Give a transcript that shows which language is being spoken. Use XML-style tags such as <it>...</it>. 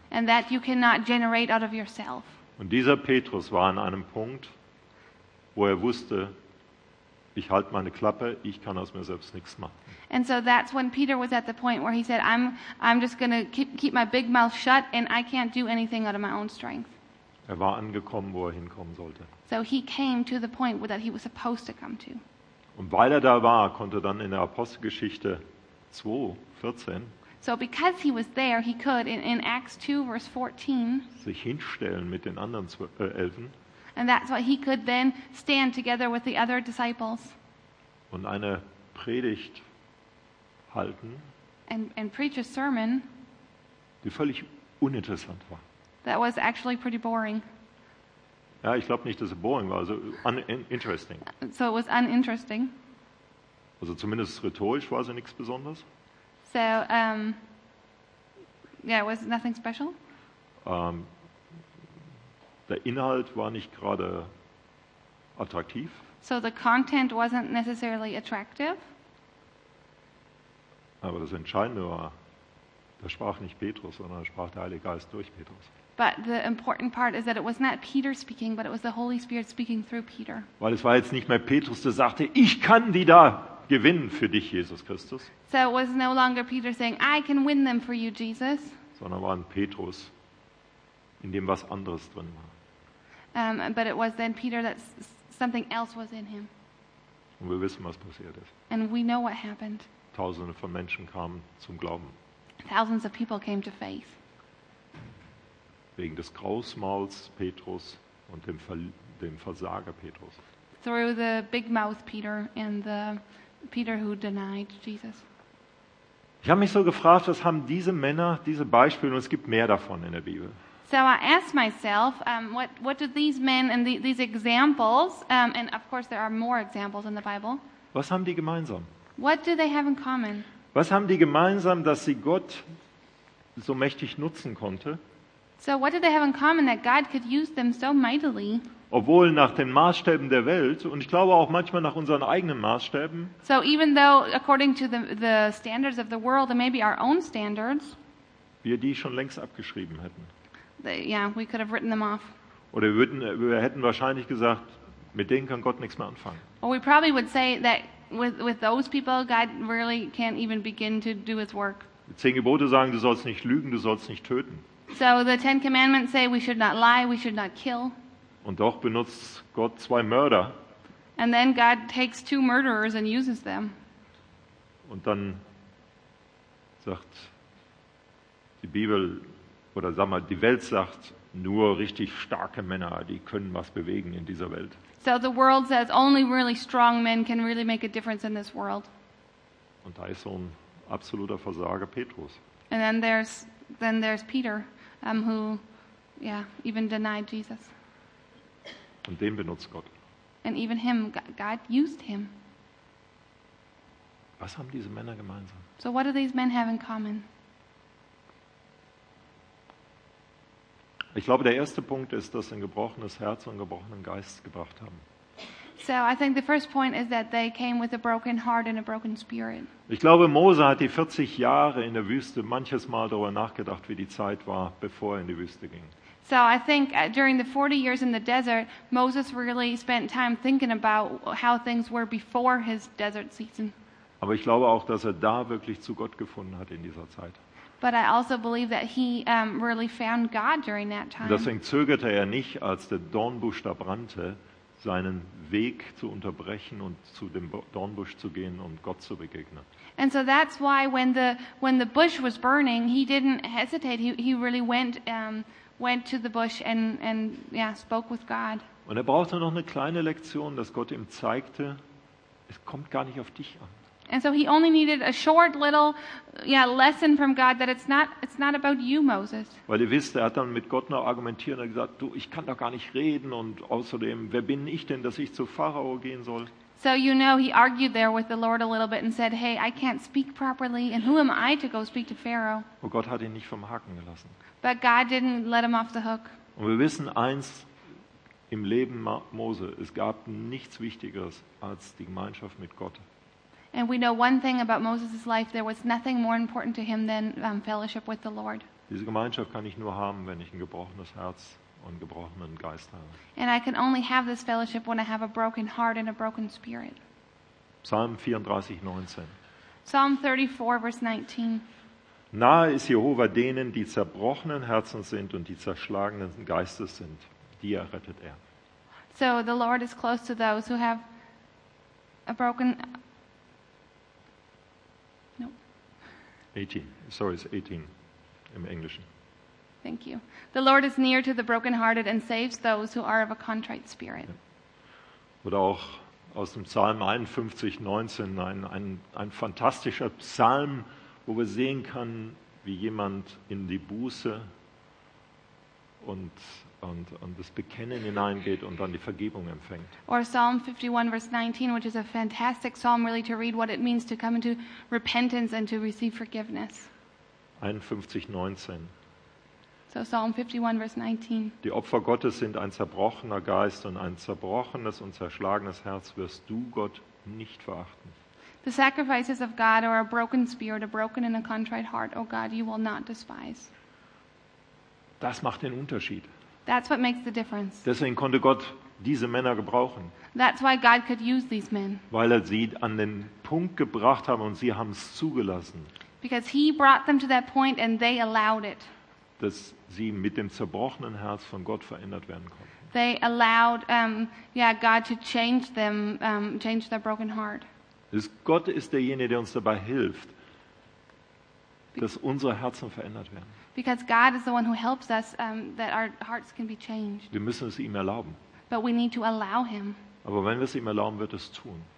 <en>And that you cannot generate out of yourself.</en> <de>Und dieser Petrus war an einem Punkt, wo er wusste, ich halte meine Klappe, ich kann aus mir selbst nichts machen.</de> <en>And so that's when Peter was at the point where he said, I'm just going to keep my big mouth shut and I can't do anything out of my own strength.</en> <de>Er war angekommen, wo er hinkommen sollte.</de> <en>So he came to the point that he was supposed to come to.</en> <de>Und weil er da war, konnte dann in der Apostelgeschichte 2, 14,</de> <en>so because he was there, he could in Acts 2, verse 14,</en> <de>sich hinstellen mit den anderen Elfen.</de> <en>And that's why he could then stand together with the other disciples.</en> <de>Und eine Predigt halten.</de> <en>And preach a sermon.</en> <de>Die völlig uninteressant war.</de> <en>That was actually pretty boring.</en> <de>Ja, ich glaube nicht, dass es boring war, also uninteresting.</de> <en>So it was uninteresting.</en> <de>Also zumindest rhetorisch war es nichts Besonderes.</de> <en>So it was nothing special.</en> <de>Der Inhalt war nicht gerade attraktiv.</de> <en>So the content wasn't necessarily attractive.</en> <de>Aber das Entscheidende war, da sprach nicht Petrus, sondern da sprach der Heilige Geist durch Petrus.</de> <en>But the important part is that it was not Peter speaking, but it was the Holy Spirit speaking through Peter.</en> <de>Weil es war jetzt nicht mehr Petrus, der sagte, ich kann die da gewinnen für dich, Jesus Christus.</de> <en>So it was no longer Peter saying, I can win them for you, Jesus.</en> <de>Sondern war ein Petrus, in dem was anderes drin war.</de> <en>But it was then Peter that something else was in him.</en> <de>Und wir wissen, was passiert ist.</de> <en>And we know what happened.</en> <de>Tausende von Menschen kamen zum Glauben.</de> <en>Thousands of people came to faith.</en> <de>Wegen des Grausmauls Petrus und dem Versager Petrus.</de> <en>Through the big mouth Peter and the Peter who denied Jesus.</en> <de>Ich habe mich so gefragt, was haben diese Männer, diese Beispiele, und es gibt mehr davon in der Bibel.</de> <en>So I asked myself, what do these men and these examples, and of course there are more examples in the Bible.</en> <de>Was haben die gemeinsam?</de> <en>What do they have in common?</en> <de>Was haben die gemeinsam, dass sie Gott so mächtig nutzen konnte?</de> <en>So what did they have in common that God could use them so mightily?</en> <de>Obwohl nach den Maßstäben der Welt und ich glaube auch manchmal nach unseren eigenen Maßstäben.</de> <en>So even though according to the standards of the world and maybe our own standards,</en> <de>wir die schon längst abgeschrieben hätten.</de> <en>We could have written them off.</en> <de>Oder wir hätten wahrscheinlich gesagt, mit denen kann Gott nichts mehr anfangen.</de> <en>Or we probably would say that with those people God really can't even begin to do his work.</en> <de>Die 10 Gebote sagen, du sollst nicht lügen, du sollst nicht töten.</de> <en>So the Ten Commandments say we should not lie, we should not kill.</en> <de>Und doch benutzt Gott zwei Mörder.</de> <en>And then God takes two murderers and uses them.</en> <de>Und dann sagt Die Bibel, oder sag mal, die Welt sagt, nur richtig starke Männer, die können was bewegen in dieser Welt.</de> <en>So the world says only really strong men can really make a difference in this world.</en> <de>Und da ist so ein absoluter Versager Petrus.</de> <en>And then there's Peter, who, yeah, even denied Jesus.</en> <de>Und den benutzt Gott.</de> <en>And even him, God used him.</en> <de>Was haben diese Männer gemeinsam?</de> <en>So what do these men have in common?</en> <de>Ich glaube, der erste Punkt ist, dass sie ein gebrochenes Herz und einen gebrochenen Geist gebracht haben.</de> <en>So I think the first point is that they came with a broken heart and a broken spirit.</en> <de>Ich glaube, Mose hat die 40 Jahre in der Wüste manches Mal darüber nachgedacht, wie die Zeit war, bevor er in die Wüste ging.</de> <en>So I think during the 40 years in the desert, Moses really spent time thinking about how things were before his desert season.</en> <de>Aber ich glaube auch, dass er da wirklich zu Gott gefunden hat in dieser Zeit.</de> <en>But I also believe that he really found God during that time.</en> <de>Deswegen zögerte er nicht, als der Dornbusch da brannte, seinen Weg zu unterbrechen und zu dem Dornbusch zu gehen und Gott zu begegnen.</de> <en>And so that's why when the bush was burning, he didn't hesitate. He really went to the bush and spoke with God.</en> <de>Und er brauchte noch eine kleine Lektion, dass Gott ihm zeigte, es kommt gar nicht auf dich an.</de> <en>And so he only needed a short little lesson from God that it's not about you, Moses.</en> <de>Weil ihr wisst, er hat dann mit Gott noch argumentiert und gesagt, du, ich kann doch gar nicht reden und außerdem, wer bin ich denn, dass ich zu Pharao gehen soll?</de> <en>So you know, he argued there with the Lord a little bit and said, hey, I can't speak properly and who am I to go speak to Pharaoh?</en> <de>Und Gott hat ihn nicht vom Haken gelassen.</de> <en>But God didn't let him off the hook.</en> <de>Und wir wissen eins im Leben Mose, es gab nichts Wichtigeres als die Gemeinschaft mit Gott.</de> <en>And we know one thing about Moses' life, there was nothing more important to him than fellowship with the Lord.</en> <de>Diese Gemeinschaft kann ich nur haben, wenn ich ein gebrochenes Herz und einen gebrochenen Geist habe.</de> <en>And I can only have this fellowship when I have a broken heart and a broken spirit.</en> <de>Psalm 34:19.</de> <en>Psalm 34:19.</en> <de>Nahe ist Jehova denen, die zerbrochenen Herzen sind und die zerschlagenen Geistes sind, die errettet er.</de> <en>So the Lord is close to those who have a broken 18. Sorry, it's 18</en> <de>im Englischen.</de> <en>Thank you. The Lord is near to the brokenhearted and saves those who are of a contrite spirit.</en> <de>Oder auch aus dem Psalm 51:19, ein fantastischer Psalm, wo wir sehen können, wie jemand in die Buße und das Bekennen hineingeht und dann die Vergebung empfängt.</de> <en>Or Psalm 51:19, which is a fantastic psalm really to read what it means to come into repentance and to receive forgiveness.</en> <de>51:19.</de> <en>So Psalm 51:19.</en> <de>Die Opfer Gottes sind ein zerbrochener Geist und ein zerbrochenes und zerschlagenes Herz wirst du Gott nicht verachten.</de> <en>The sacrifices of God are a broken spirit, a broken and a contrite heart, O God, you will not despise.</en> <de>Das macht den Unterschied.</de> <en>That's what makes the difference.</en> <de>Deswegen konnte Gott diese Männer gebrauchen.</de> <en>That's why God could use these men.</en> <de>Weil er sie an den Punkt gebracht hat und sie haben es zugelassen.</de> <en>Because he brought them to that point and they allowed it.</en> <de>Dass sie mit dem zerbrochenen Herz von Gott verändert werden konnten.</de> <en>They allowed God to change them, change their broken heart.</en> <de>Gott ist derjenige, der uns dabei hilft, dass unsere Herzen verändert werden.</de> <en>Because God is the one who helps us that our hearts can be changed.</en> <de>Wir müssen es ihm erlauben.</de> <en>But we need to allow him.</en> <de>Aber wenn wir es ihm erlauben, wird es tun.</de>